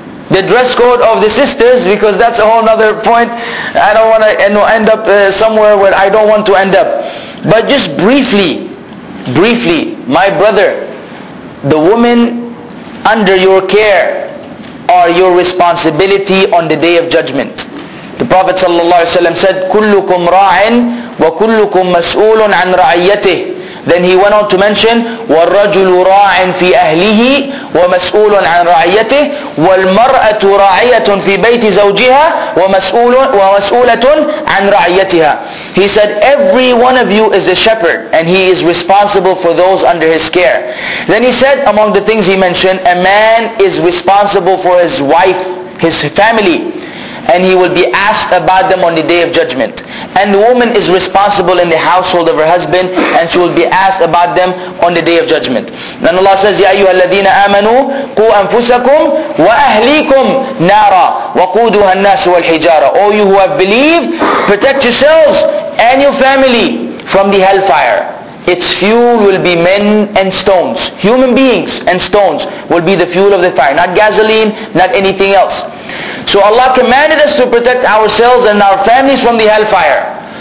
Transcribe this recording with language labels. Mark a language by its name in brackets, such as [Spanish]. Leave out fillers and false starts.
[English] The dress code of the sisters, because that's a whole other point. I don't want to end up somewhere where I don't want to end up. But just briefly, my brother, the woman under your care are your responsibility on the Day of Judgment. The Prophet ﷺ said, [Arabic] كُلُّكُمْ رَاعٍ وَكُلُّكُمْ مَسْؤُولٌ عَنْ رَعِيَّتِهِ. [English] Then he went on to mention, [Arabic] وَالرَّجُلُ رَاعٍ فِي أَهْلِهِ وَمَسْؤُولٌ عَنْ رَعِيَتِهِ وَالْمَرْأَةُ رَاعِيَةٌ فِي بَيْتِ زَوْجِهَا وَمَسْؤُولَةٌ عَنْ رَعِيَتِهَا. [English] He said, every one of you is a shepherd, and he is responsible for those under his care. Then he said, among the things he mentioned, a man is responsible for his wife, his family, and he will be asked about them on the Day of Judgment. And the woman is responsible in the household of her husband, and she will be asked about them on the Day of Judgment. Then Allah says, [Arabic] يَا أَيُّهَا الَّذِينَ آمَنُوا قُوا أَنفُسَكُمْ وَأَهْلِيكُمْ نَارًا وَقُودُهَا النَّاسُ وَالْحِجَارَةُ. [English] All you who have believed, protect yourselves and your family from the hellfire. Its fuel will be men and stones. Human beings and stones will be the fuel of the fire. Not gasoline, not anything else. So Allah commanded us to protect ourselves and our families from the hellfire.